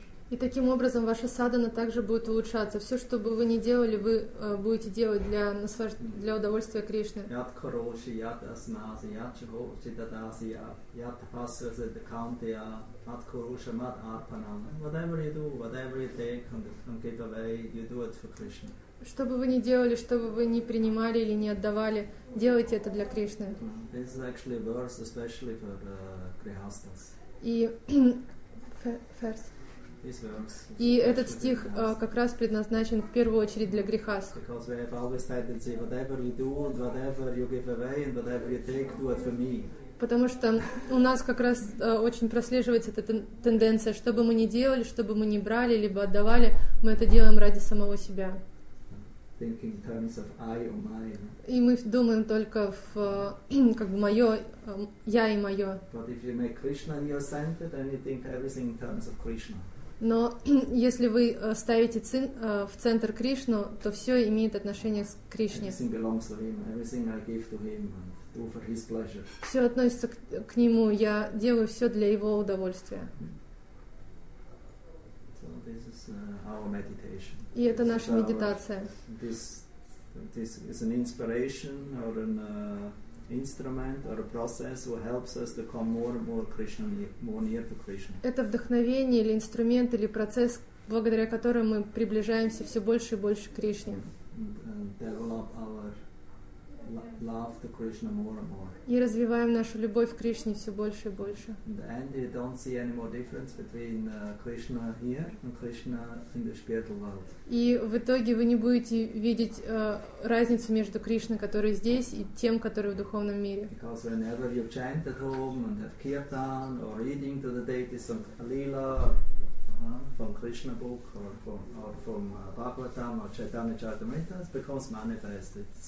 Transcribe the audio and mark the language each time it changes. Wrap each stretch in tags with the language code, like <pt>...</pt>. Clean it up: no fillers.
<ru>И таким образом ваша садхана также будет улучшаться. Все, что бы вы ни делали, вы будете делать для удовольствия Кришны.</ru> <sa>Яд хороший, яд асмази, яд чего читадаси, яд тапасвазе дакамте, яд хороший, мад арпанам.</sa> <en>Whatever you do, whatever you take and give away, you do it for Krishna.</en> <ru>Что бы вы ни делали, что бы вы ни принимали или ни отдавали, делайте это для Кришны.</ru> <en>This is actually a verse especially for Krihastas.</en> <ru>И</ru> <en>first.</en> <ru>И этот стих как раз предназначен в первую очередь для грехаст.</ru> <en>Because we have always tendency, whatever you do, and whatever you give away, and whatever you take, do it for me.</en> <ru>Потому что у нас как раз очень прослеживается эта тенденция, что бы мы ни делали, что бы мы ни брали, либо отдавали, мы это делаем ради самого себя.</ru> <en>Thinking in terms of I or mine.</en> <ru>И мы думаем только в как бы моё, я и моё.</ru> <en>But if you make Krishna your center, then you think everything in terms of Krishna.</en> <ru>Но если вы ставите в центр Кришну, то все имеет отношение к Кришне.</ru> <en>Everything belongs to him. Everything I give to him and do for his pleasure.</en> <ru>Все относится к нему. Я делаю все для его удовольствия.</ru> <en>So this is our meditation.</en> <ru>И это наша медитация.</ru> <en>This is an inspiration or an instrument or a process who helps us to come more and more Krishna, more near to Krishna.</en> <ru>Это вдохновение или инструмент или процесс, благодаря которому мы приближаемся все больше и больше к Кришне.</ru> <en>Develop our love to Krishna more and more.</en> <ru>И развиваем нашу любовь к Кришне все больше и больше.</ru> <en>And you don't see any more difference between Krishna here and Krishna in the spiritual world.</en> <ru>И в итоге вы не будете видеть разницу между Кришной, который здесь, и тем, который в духовном мире.</ru> <en>Because whenever you chant at home and have kirtan or reading to the deities some Leela from Krishna book or from Bhagavatam or Chaitanya Charitamrita, it becomes manifest.</en>